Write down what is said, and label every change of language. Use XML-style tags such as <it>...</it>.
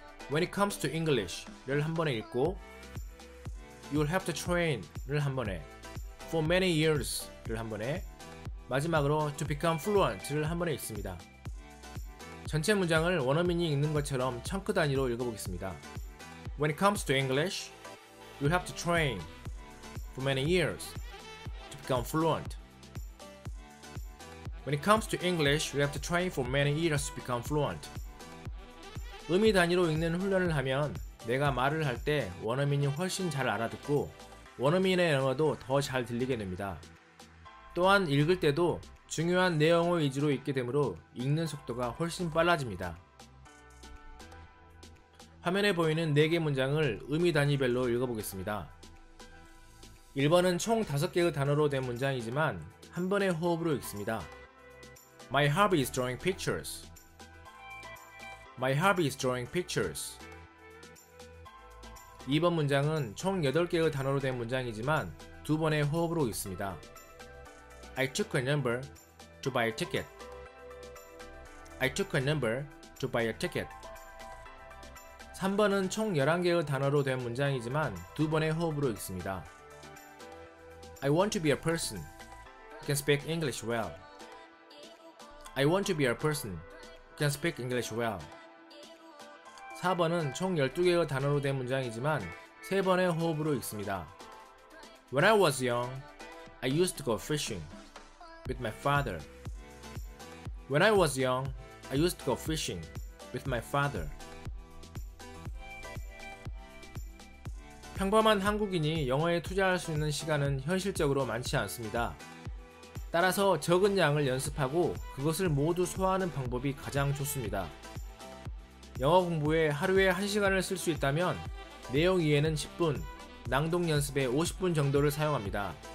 <en>When it comes to English</en> <ko>를 한 번에 읽고</ko> <en>You'll have to train</en> <ko>를 한 번에</ko> <en>For many years</en> <ko>를 한 번에 마지막으로</ko> <en>To become fluent</en> <ko>를 한 번에 읽습니다. 전체 문장을 원어민이 읽는 것처럼 청크 단위로 읽어보겠습니다.</ko> <en>When it comes to English, you'll have to train for many years to become fluent. When it comes to English, you'll have to train for many years to become fluent.</en> <ko>의미 단위로 읽는 훈련을 하면 내가 말을 할 때 원어민이 훨씬 잘 알아듣고 원어민의 영어도 더 잘 들리게 됩니다. 또한 읽을 때도 중요한 내용을 위주로 읽게 되므로 읽는 속도가 훨씬 빨라집니다. 화면에 보이는 4개 문장을 의미 단위별로 읽어보겠습니다. 1번은 총 5개의 단어로 된 문장이지만 한 번의 호흡으로 읽습니다.</ko> <en>My hobby is drawing pictures. My hobby is drawing pictures.</en> <ko>2번 문장은 총 8개의 단어로 된 문장이지만 두 번의 호흡으로 읽습니다.</ko> <en>I took a number to buy a ticket. I took a number to buy a ticket.</en> <ko>3번은 총 11개의 단어로 된 문장이지만 두 번의 호흡으로 읽습니다.</ko> <en>I want to be a person who can speak English well. I want to be a person who can speak English well.</en> <ko>4번은 총 12개의 단어로 된 문장이지만 세 번의 호흡으로 읽습니다.</ko> <en>When I was young, I used to go fishing with my father. When I was young, I used to go fishing with my father.</en> <ko>평범한 한국인이 영어에 투자할 수 있는 시간은 현실적으로 많지 않습니다. 따라서 적은 양을 연습하고 그것을 모두 소화하는 방법이 가장 좋습니다. 영어 공부에 하루에 1시간을 쓸 수 있다면 내용 이해는 10분, 낭독 연습에 50분 정도를 사용합니다.</ko>